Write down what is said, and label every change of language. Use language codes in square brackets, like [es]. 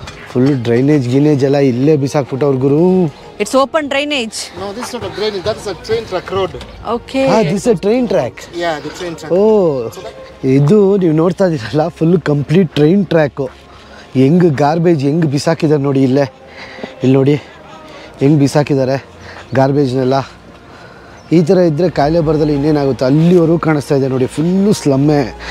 [kn] Full drainage ಗಿನೇಜ್ ಎಲ್ಲ ಇಲ್ಲೇ ಬಿಸಾಕ್ಬಿಟ್ಟು ಅವ್ರ ಗುರು. [en] It's open drainage. No, this is not a drainage. That is a train track road. Okay. Ah, this is a train track. Yeah, the train track. Oh. [kn] ಇದು ನೀವು ನೋಡ್ತಾ ಇದ್ದೀರಲ್ಲ full complete train track. ಹೆಂಗೆ garbage ಹೆಂಗೆ ಬಿಸಾಕಿದ್ದಾರೆ ನೋಡಿ, ಇಲ್ಲೇ ಇಲ್ಲಿ ನೋಡಿ ಹೆಂಗೆ ಬಿಸಾಕಿದ್ದಾರೆ ಗಾರ್ಬೇಜ್ನೆಲ್ಲ. ಈ ಥರ ಇದ್ದರೆ ಕಾಯಿಲೆ ಬರೋದಲ್ಲಿ ಇನ್ನೇನಾಗುತ್ತೆ? ಅಲ್ಲಿವರೆಗೂ ಕಾಣಿಸ್ತಾ ಇದೆ ನೋಡಿ, ಫುಲ್ಲು ಸ್ಲಮ್ಮೆ.